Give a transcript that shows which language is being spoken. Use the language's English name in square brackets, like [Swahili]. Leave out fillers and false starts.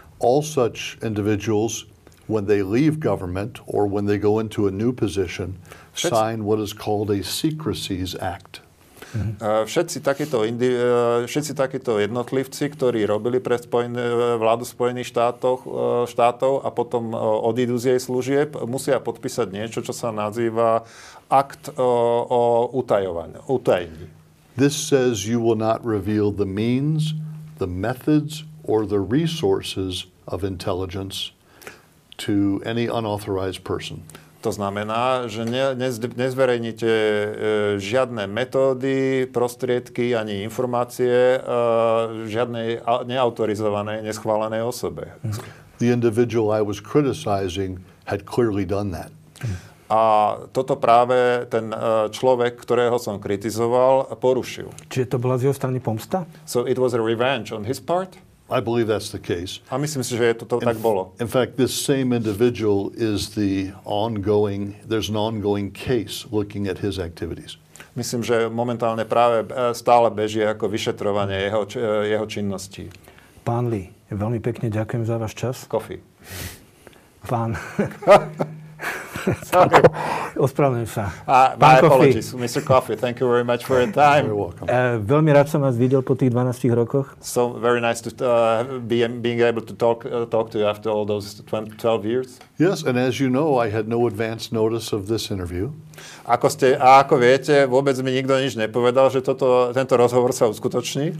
[English] All such individuals, when they leave government or when they go into a new position, sign what is called a Secrecies Act. [Slovak] Všetci takíto jednotlivci, ktorí robili pre vládu Spojených štátov a potom odídu z jej služieb, musia podpísať niečo, čo sa nazýva akt o utajení. [English] This says you will not reveal the means, the methods or the resources of intelligence to any unauthorized person. [Slovak] To znamená, že nezverejnite žiadne metódy, prostriedky ani informácie žiadnej neautorizovanej, neschválenej osobe. [English] The individual I was criticizing had clearly done that. [Slovak] A toto práve ten človek, ktorého som kritizoval, porušil. Čiže to bola z jeho strany pomsta? [English] So it was a revenge on his part? I believe that's the case. [Slovak] A myslím si, že je to tak bolo. [English] In fact, this same individual is the ongoing, there's an ongoing case looking at his activities. [Slovak] Myslím, že momentálne práve stále beží ako vyšetrovanie jeho činnosti. Pán Lee, veľmi pekne ďakujem za váš čas. Kofi. Pán. [English] Sorry. [Slovak] Ospravedlňujem sa. [English] My apologies, Mr. Coffey. Thank you very much for your time. You're welcome. [Slovak] Veľmi rád som vás videl po tých 12 rokoch. [English] So very nice to being able to talk to you after all those 12 years. Yes, and as you know, I had no advance notice of this interview. [Slovak] Ako viete, vôbec mi nikto nič nepovedal, že tento rozhovor sa uskutoční.